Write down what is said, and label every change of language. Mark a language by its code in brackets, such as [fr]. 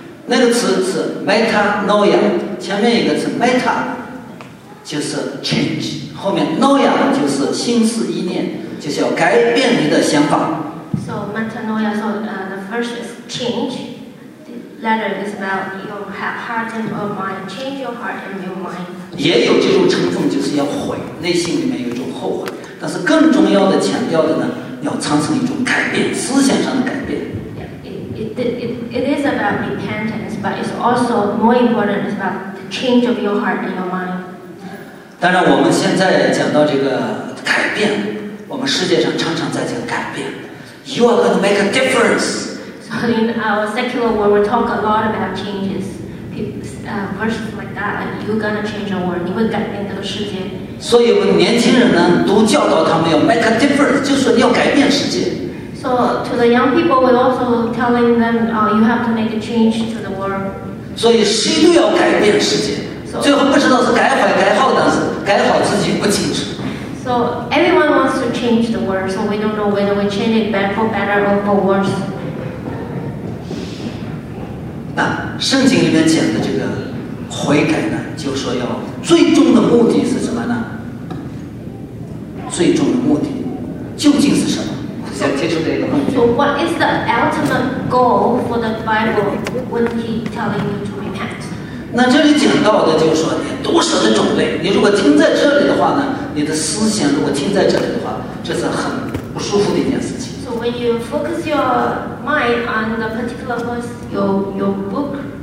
[zh] 那个词是 metanoia， 前面一个词 meta 就是 change， 后面 noia 就是心思意念，就是要改变你的想法。 [en] So metanoia, so the first is change. The letter is about your heart and your mind. Change your heart and your mind. [zh] 也有这种成分，就是要悔，内心里面有一种后悔。但是更重要的强调的呢，要产生一种改变，思想上的改变。 [en] It is about repentance, but it's also more important is about the change of your heart and your mind. [zh] 当然，我们现在讲到这个改变，我们世界上常常在讲改变。 [en] You are going to make a difference. So in our secular world, we talk a lot about changes. Verses like that, like, you're gonna change your world. [zh] 你会改变这个世界。所以，我们年轻人呢，都教导他们要 [en] make a difference， [zh] 就是要改变世界。 [en] So to the young people, we also telling them, you have to make a change to the world. [zh] 所以，谁都要改变世界。最后不知道是改坏改好，但是改好自己不清楚。 [en] So everyone wants to change the world, so we don't know whether we change it for better or for worse. [zh] 圣经里面讲的这个悔改呢，就说要最终的目的是什么呢？最终的目的究竟是什么？我想提出这个问题。 [en] So what is the ultimate goal for the Bible when he telling you to repent? [zh] 那这里讲到的就是说你毒蛇的种类，你如果听在这里的话呢，你的思想如果听在这里的话，这是很不舒服的一件事情。 [en] So when you focus your mind on the particular verse, your book.